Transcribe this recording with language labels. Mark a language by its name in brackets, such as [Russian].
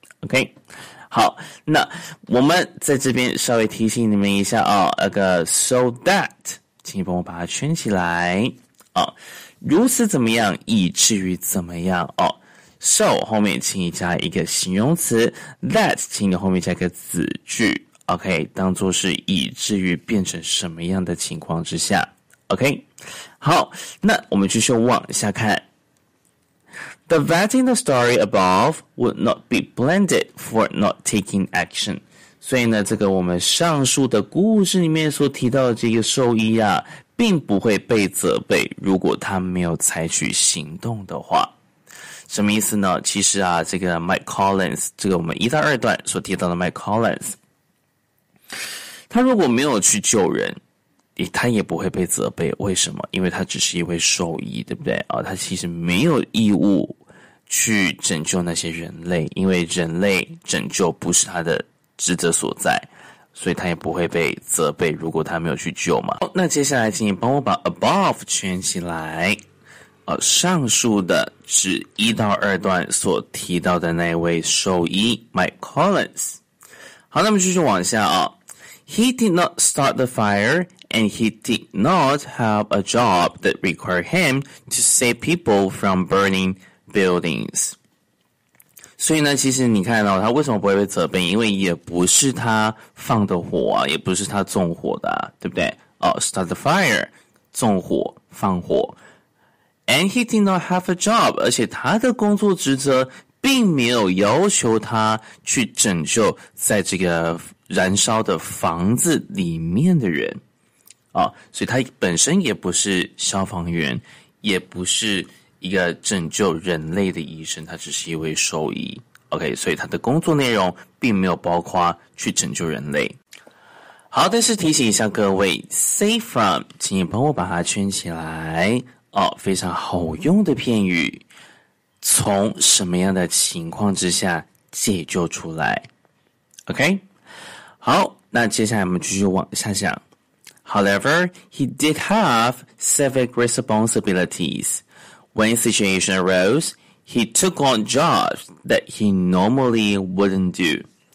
[Chinese] OK， 好，那我们在这边稍微提醒你们一下啊，那个 so that 请你帮我把它圈起来啊，如此怎么样以至于怎么样啊， so 后面请你加一个形容词， that 请你后面加一个子句，OK， 当作是以至于变成什么样的情况之下。 OK， 好，那我们继续往下看。 [English] The vet in the story above would not be blamed for not taking action. [Chinese] 所以呢，这个我们上述的故事里面所提到的这个兽医啊，并不会被责备如果他没有采取行动的话。什么意思呢？其实啊，这个 Mike Collins， 这个我们一到二段所提到的 Mike Collins，他如果没有去救人，他也不会被责备。为什么？因为他只是一位兽医，对不对？他其实没有义务去拯救那些人类，因为人类拯救不是他的职责所在，所以他也不会被责备如果他没有去救嘛。那接下来请你帮我把 above 圈起来，上述的指一到二段所提到的那位兽医 Mike Collins。好，那么继续往下啊。 [English] He did not start the fire, and he did not have a job that required him to save people from burning buildings. [Chinese] 所以呢，其实你看到他为什么不会被责备？因为也不是他放的火啊，也不是他纵火的啊，对不对？ [English] start the fire, [Chinese] 纵火放火。 [English] And he did not have a job, [Chinese] 而且他的工作职责并没有要求他去拯救在这个燃烧的房子里面的人啊，所以他本身也不是消防员，也不是一个拯救人类的医生，他只是一位兽医。 OK， 所以他的工作内容并没有包括去拯救人类。好，但是提醒一下各位， save from 请你帮我把它圈起来哦，非常好用的片语，从什么样的情况之下解救出来。 OK，好，那接下来我们继续往下讲。 [English] However, he did have civic responsibilities. When situation arose, he took on jobs that he normally wouldn't do.